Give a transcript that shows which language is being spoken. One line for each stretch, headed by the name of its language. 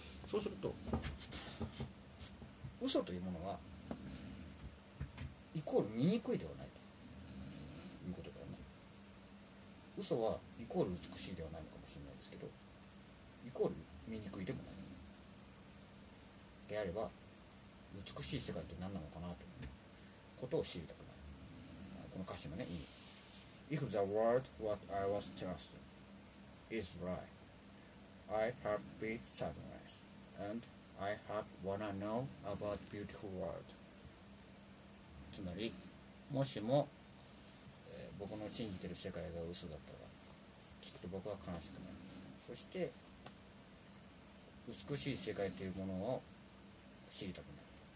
Japanese: そうすると嘘というものはイコール醜いではないということだよね。嘘はイコール美しいではないのかもしれないですけど、イコール醜いでもない。であれば美しい世界って何なのかなということを知りたくなる。この歌詞もね、いい。
English: If the world what I was trusting is right, I have been sadness, and I have wanna know about beautiful world.
Japanese: つまり、もしも、僕の信じてる世界が嘘だったら、きっと僕は悲しくなる。そして、美しい世界というものを知りたくなる。